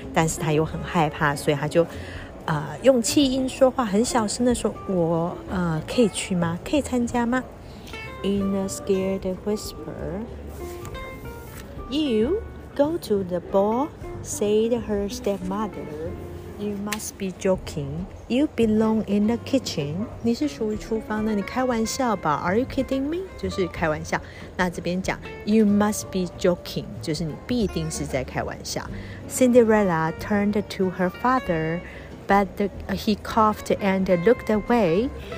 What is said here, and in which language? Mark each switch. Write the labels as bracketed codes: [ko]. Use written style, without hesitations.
[zh] 但是她又很害怕，所以她就，用气音说话，很小声的说：“我可以去吗？可以参加吗？” [en] In a scared whisper, "You go to the ball," said her stepmother. You must be joking. You belong in the kitchen. [zh] 你是属于厨房的，你开玩笑吧 ？ [en] Are you kidding me? [zh] 就是开玩笑。那这边讲 [en] ，You must be joking. [zh] 就是你必定是在开玩笑。 [en] Cinderella turned to her father, but he coughed and looked away.